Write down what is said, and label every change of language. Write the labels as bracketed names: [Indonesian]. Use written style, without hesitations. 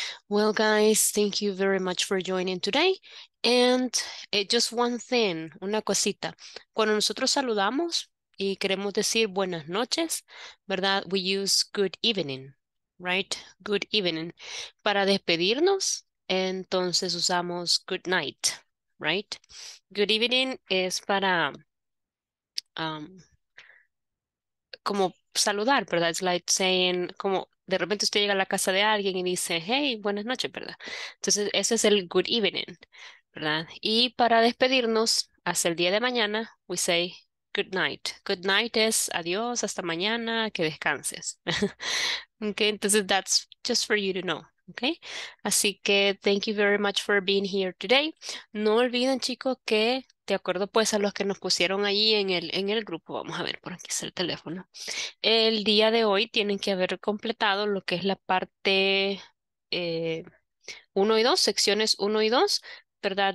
[English] Well, guys, thank you very much for joining today. And just one thing, [Spanish] una cosita. Cuando nosotros saludamos y queremos decir buenas noches, ¿verdad? [English] We use good evening, right? Good evening. [Spanish] Para despedirnos, entonces usamos [English] good night, right? [Spanish] Good evening es para como saludar, ¿verdad? [English] It's like saying, [Spanish] como de repente usted llega a la casa de alguien y dice, hey, buenas noches, ¿verdad? Entonces, ese es el good evening, ¿verdad? Y para despedirnos, hasta el día de mañana, [English] we say, good night. [Spanish] Good night es adiós, hasta mañana, que descanses. [English] Okay, entonces that's just for you to know. Okay, [Spanish] así que [English] thank you very much for being here today. [Spanish] No olviden, chicos, que de acuerdo pues a los que nos pusieron ahí en el grupo, vamos a ver por aquí es el teléfono. El día de hoy tienen que haber completado lo que es la parte 1 y 2, secciones 1 y 2, ¿verdad?